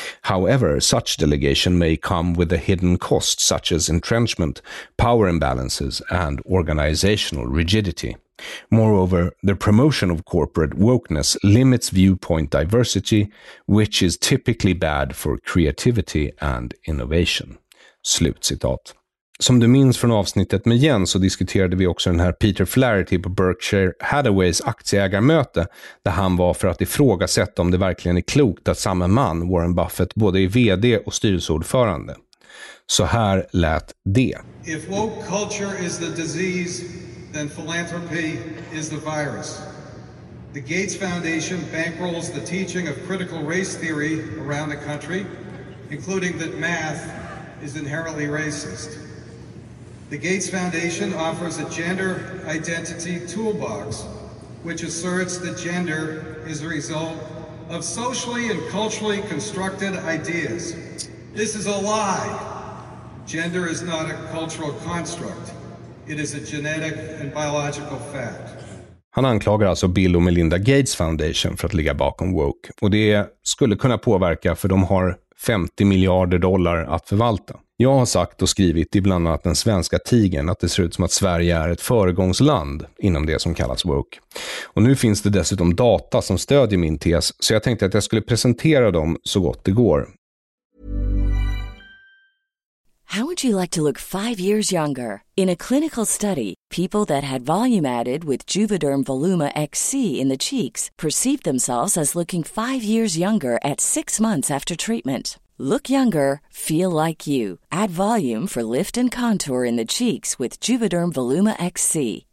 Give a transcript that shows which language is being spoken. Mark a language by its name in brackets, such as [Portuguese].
[English] However, such delegation may come with a hidden cost, such as entrenchment, power imbalances, and organizational rigidity. Moreover, the promotion of corporate wokeness limits viewpoint diversity, which is typically bad for creativity and innovation. [Swedish] Slutcitat. Som du minns från avsnittet med Jens så diskuterade vi också den här Peter Flaherty på Berkshire Hathaways aktieägarmöte där han var för att ifrågasätta om det verkligen är klokt att samma man, Warren Buffett, både är vd och styrelseordförande. Så här lät det. [English] If woke culture is the disease, then philanthropy is the virus. The Gates Foundation bankrolls the teaching of critical race theory around the country, including that math is inherently racist. The Gates Foundation offers a gender identity toolbox, which asserts that gender is a result of socially and culturally constructed ideas. This is a lie. Gender is not a cultural construct. It is a genetic and biological fact. [Swedish] Han anklagar alltså Bill och Melinda Gates Foundation för att ligga bakom woke. Och det skulle kunna påverka, för de har 50 miljarder dollar att förvalta. Jag har sagt och skrivit i bland annat den svenska tigen att det ser ut som att Sverige är ett föregångsland inom det som kallas woke. Och nu finns det dessutom data som stödjer min tes, så jag tänkte att jag skulle presentera dem så gott det går. [English] How would you like to look 5 years younger? In a clinical study, people that had volume added with Juvederm Voluma XC in the cheeks perceived themselves as looking 5 years younger at 6 months after treatment. Look younger, feel like you. Add volume for lift and contour in the cheeks with Juvederm Voluma XC.